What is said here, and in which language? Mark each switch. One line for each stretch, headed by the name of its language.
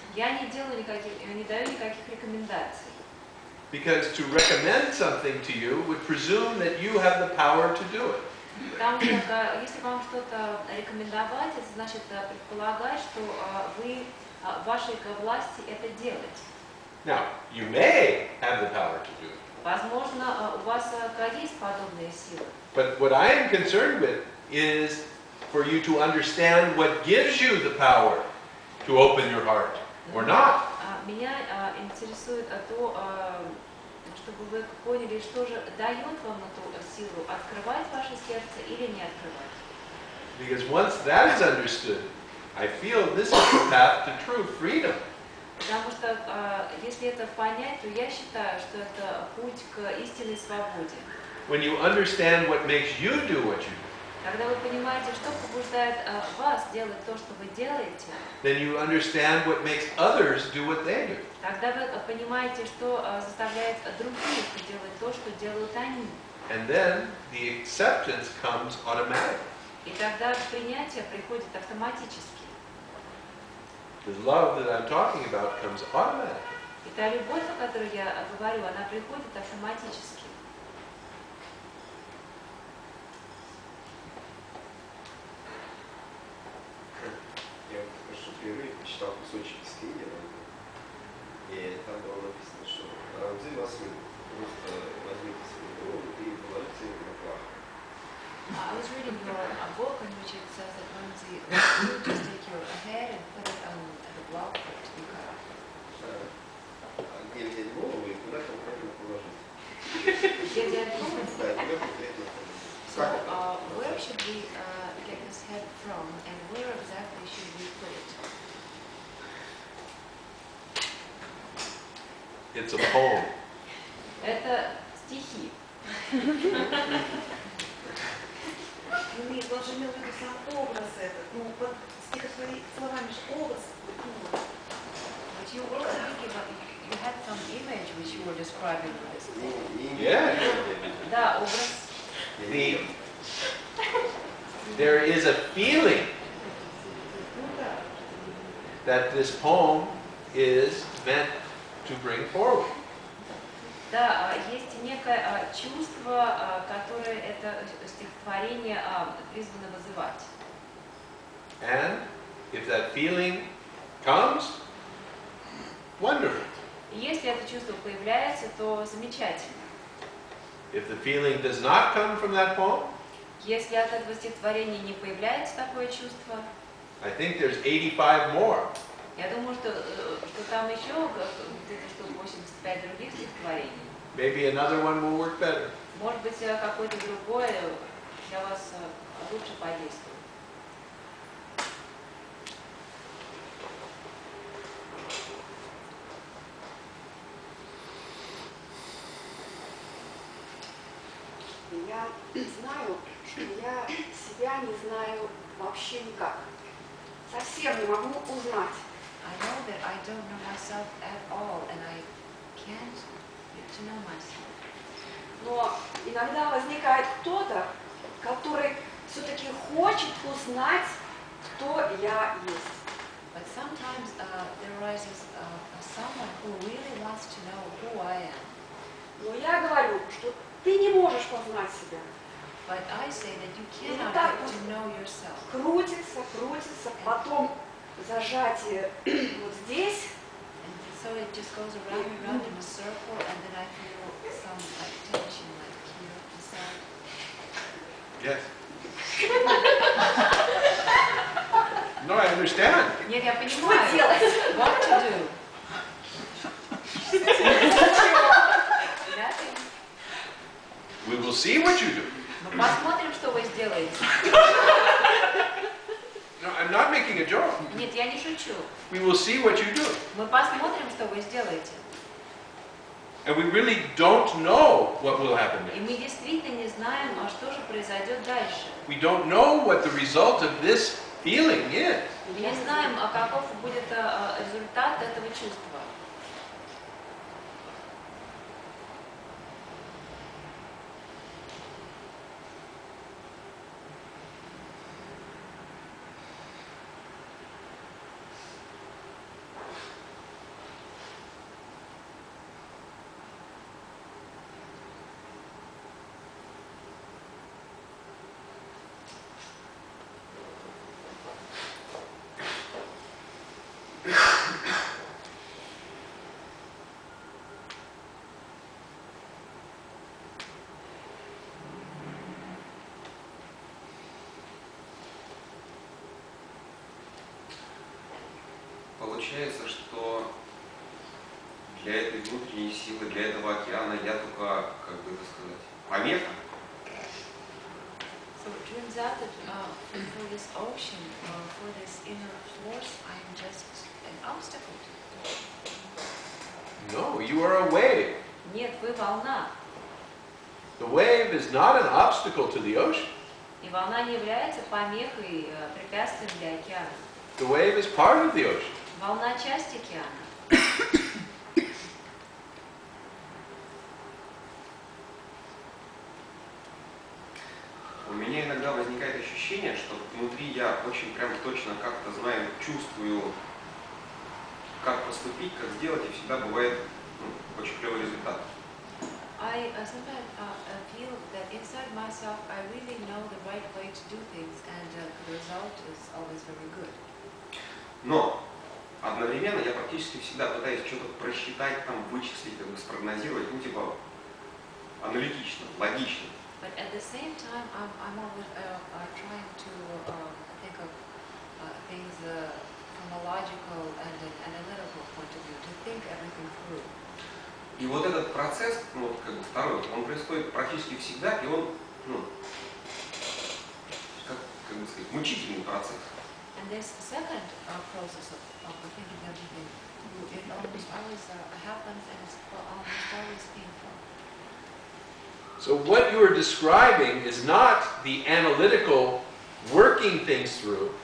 Russian: Я не делаю никаких, я не даю никаких рекомендаций.
English: Because to recommend something to you would presume that you have the power to do it.
Russian: Если вам что-то рекомендовать, это значит предполагать, что вы в вашей власти это делать.
English: Now, you may have the power to do it.
Russian: Возможно, у вас есть подобные силы.
English: But what I am concerned with is for you to understand what gives you the power to open your heart or not.
Russian: Меня интересует то, чтобы вы поняли, что же дает вам эту силу, открывать ваше сердце или не открывать.
English: Because once that is understood, I feel this is the path to true freedom.
Russian: Потому что если это понять, то я считаю, что это путь к истинной свободе.
English: When you understand what makes you do what you do,
Russian: когда вы понимаете, что побуждает вас делать то, что вы делаете,
English: then you understand what makes others do what they do.
Russian: Тогда вы понимаете, что заставляет других делать то, что делают они.
English: And then the acceptance comes automatically.
Russian: И тогда принятие приходит автоматически.
English: The love that I'm talking about comes automatically.
Russian: И та любовь, о которой я говорю, она приходит автоматически. Читал кусочек из книги, и там было написано, что Рам Цзы вас любит, просто возьмите свою голову и положите ее на прах.
English: I was reading your book, in which it says that Рам Цзы wants you to take your head and put it on the block to be cut off.
Russian: А где взять голову и куда там правильно положить? Где взять голову? Да, где взять голову?
English: So, where should we get this head from, and where exactly should we put it? It's a poem.
Russian: Это стихи. Нет, он же имел в виду сам образ этот. Ну, под стихотворение словами же образ.
English: But you also think about, you had some image which you were describing with this poem. Yeah.
Russian: Да, образ.
English: There is a feeling that this poem is meant to bring forward.
Russian: Да, есть некое чувство, которое это стихотворение призвано вызывать.
English: And if that feeling comes, wonderful.
Russian: Если это чувство появляется, то замечательно.
English: If the feeling does not come from that poem,
Russian: если от этого стихотворения не появляется такое чувство,
English: I think there's 85 more.
Russian: Я думаю, что там еще где-то что 85 других стихотворений.
English: Maybe another one will work better.
Russian: Может быть, какое-то другое для вас лучше подействует. Я знаю, что я себя не знаю вообще никак. совсем не могу узнать.
English: I know that I don't know myself at all, and I can't get to know myself.
Russian: Но иногда возникает кто-то, который все-таки хочет узнать, кто я есть.
English: But sometimes there arises someone who really wants to know who I am.
Russian: Но я говорю, что ты не можешь познать себя.
English: But I say that you cannot get to know yourself.
Russian: Крутится, крутится, потом зажатие вот здесь.
English: And so it just goes around and around in a circle, and then I feel some like tension, like here inside. Yes. No, I understand.
Russian: Нет, я понимаю.
English: What to do? We will see what you do.
Russian: Посмотрим, что вы сделаете.
English: No, I'm not making a joke.
Russian: Нет, я не шучу.
English: We will see what you do.
Russian: Мы посмотрим, что вы сделаете.
English: And we really don't know what will happen next.
Russian: И мы действительно не знаем, а что же произойдет дальше.
English: We don't know what the result of this feeling is.
Russian: Мы не знаем, а каков будет результат этого чувства. Получается, что для этой внутренней силы, для этого океана я только, как бы это сказать, помеха.
English: So it turns out that for this ocean, for this inner force, I am just an obstacle. No, you are a wave.
Russian: Нет, вы волна.
English: The wave is not an obstacle to the ocean.
Russian: И волна не является помехой, препятствием для океана.
English: The wave is part of the ocean.
Russian: Волна – часть океана. У меня иногда возникает ощущение, что внутри я очень прям точно как-то знаю, чувствую, как поступить, как сделать, и всегда бывает очень клевый результат.
English: I sometimes feel that inside myself I really know the right way to do things, and the result is always very good.
Russian: Но одновременно я практически всегда пытаюсь что-то просчитать, там, вычислить, как бы спрогнозировать, ну, типа, аналитично, логично.
English: But at the same time, I'm always trying to think of things from a logical and an analytical point of view, to think everything through.
Russian: И вот этот процесс, ну, как бы второй, он происходит практически всегда, и он, ну, как бы сказать, мучительный процесс.
English: And this second process of thinking everything through, it almost always happens, and it's almost always painful. So what you are describing is not the analytical working things through.